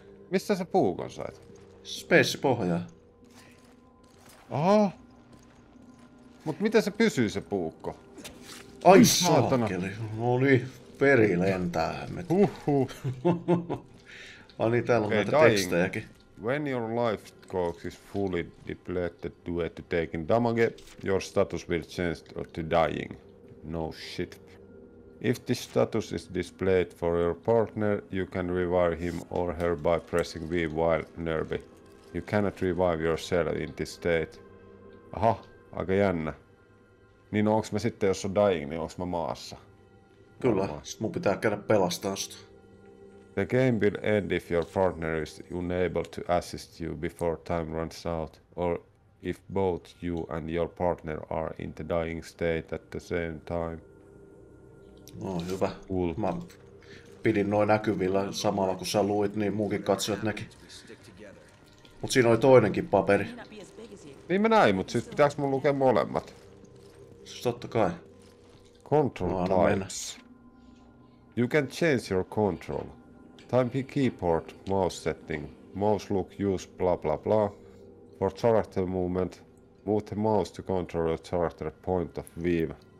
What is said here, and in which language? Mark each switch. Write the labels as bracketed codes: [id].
[fi] Missä sä puukon sait? Space pohjaa. Aha! Mut miten se pysyy se puukko? Ai saakeli! No niin, peri lentää. Huhhuh! Ai niin, täällä on okay, näitä dying. Tekstejäkin. [en] When your life corks is fully depleted due to taking damage, your status will change to dying. No shit. If this status is displayed for your partner, you can revive him or her by pressing V while nearby. You cannot revive yourself in this state. [fi] Aha, aika jännä. Niin no, onks mä sitten, jos on dying, niin onks mä maassa? Kyllä, sit mun pitää käydä pelastaa sitä. [en] The game will end if your partner is unable to assist you before time runs out, or if both you and your partner are in the dying state at the same time. [fi] No hyvä. Cool. Mä pidin noin näkyvillä samalla kun sä luit, niin muukin katsojat näki. Mut siinä oli toinenkin paperi. Niin mä näin, mut sit pitääks mun lukea molemmat? Siis totta kai. Control no, types. [en] You can change your control. Time keyboard, mouse setting, mouse look, use blah blah blah. For character movement, move the mouse to control your character point of view.